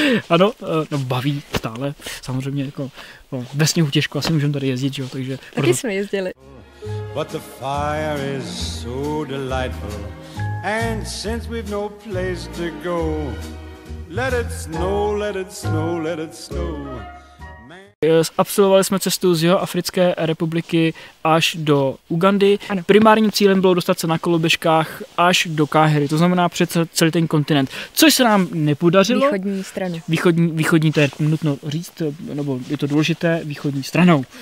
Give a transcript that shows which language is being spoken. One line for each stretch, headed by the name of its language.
Czech: Ano, no baví stále. Samozřejmě jako no, ve sněhu těžko asi můžeme tady jezdit, že jo. Takže taky proto... jsme jezdili.
English: But the fire is so delightful. And since we've no place to go, let it snow, let it snow, let it snow.
Czech: Absolvovali jsme cestu z Jihoafrické republiky až do Ugandy. Ano. Primárním cílem bylo dostat se na koloběžkách až do Káhery, to znamená přes celý ten kontinent. Což se nám nepodařilo. Východní straně. Východní, to je nutno říct, nebo je to důležité, východní stranou.